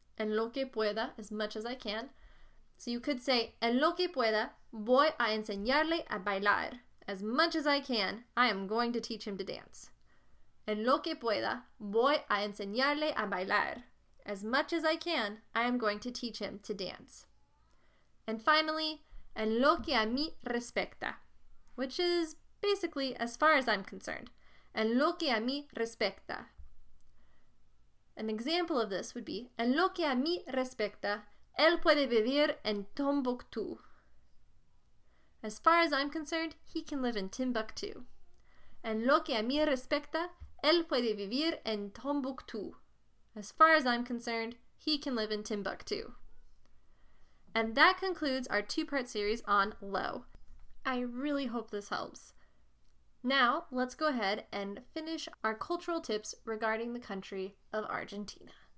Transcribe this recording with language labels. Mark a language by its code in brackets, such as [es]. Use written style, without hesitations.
[es] En lo que pueda, [en] as much as I can. So you could say, [es] en lo que pueda, voy a enseñarle a bailar. [en] As much as I can, I am going to teach him to dance. [es] En lo que pueda, voy a enseñarle a bailar. [en] As much as I can, I am going to teach him to dance. And finally, [es] en lo que a mí respecta, [en] which is basically as far as I'm concerned. [es] En lo que a mí respecta. [en] An example of this would be, [es] en lo que a mí respecta, él puede vivir en Tombuctú. [en] As far as I'm concerned, he can live in Timbuktu. [es] En lo que a mí respecta, él puede vivir en Tombuctú. [en] As far as I'm concerned, he can live in Timbuktu. And that concludes our two-part series on lo. I really hope this helps. Now, let's go ahead and finish our cultural tips regarding the country of Argentina.